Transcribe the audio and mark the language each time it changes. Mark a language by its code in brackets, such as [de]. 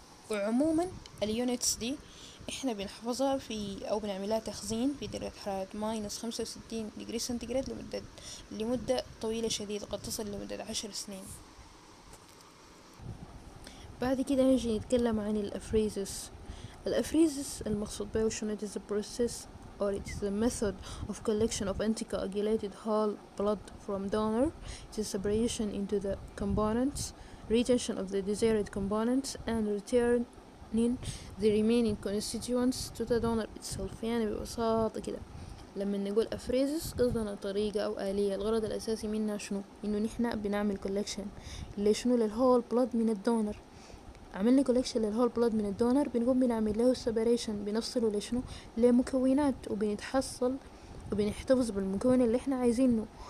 [ar] وعموما اليونتس دي إحنا بنحفظها في أو بنعملها تخزين في درجة حرارة -65 [en] degrees centigrade [ar] لمدة طويلة شديدة قد تصل لمدة 10 سنين. بعد كده هنجي نتكلم عن الأفريزس. الأفريزس المقصود به شنو، [en] it is a process or it is a method of collection of anticoagulated whole blood from donor, it is separation into the components, retention of the desired components and returning the remaining constituents to the donor itself. [ar] يعني ببساطة كده لما نقول أفريزس قصدنا طريقة أو آلية، الغرض الأساسي منها شنو، إنه نحن بنعمل collection لشنو، للhole blood من الدونر. عملنا كولكشن للهول بلود من الدونر، بنقوم بنعمل له سيبريشن، بنفصله لشنو، لمكونات، وبنتحصل وبنحتفظ بالمكون اللي احنا عايزينه.